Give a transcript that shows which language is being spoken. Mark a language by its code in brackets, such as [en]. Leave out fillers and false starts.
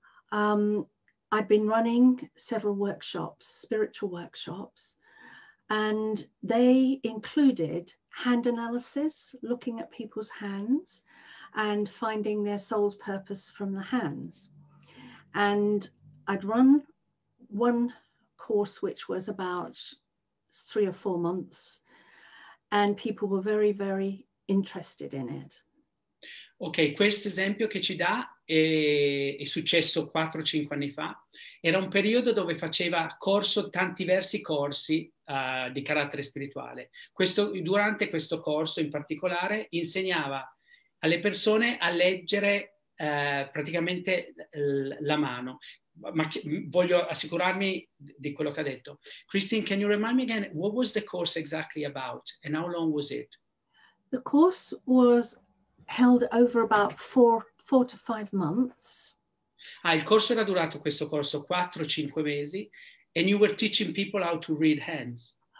[en] I'd been running several workshops, spiritual workshops, and they included hand analysis, looking at people's hands, and finding their soul's purpose from the hands. And I'd run one course which was about 3 or 4 months, and people were very, very interested in it. [it] Ok, questo esempio che ci dà è successo 4-5 anni fa. Era un periodo dove faceva diversi corsi di carattere spirituale. Durante questo corso in particolare insegnava alle persone a leggere praticamente la mano. Ma voglio assicurarmi di quello che ha detto. [en] Christine, can you remind me again, what was the course exactly about and how long was it? The course was held over about four to five months. [it] Ah, il corso era durato, questo corso, 4-5 mesi, [en] and you were teaching people how to read hands.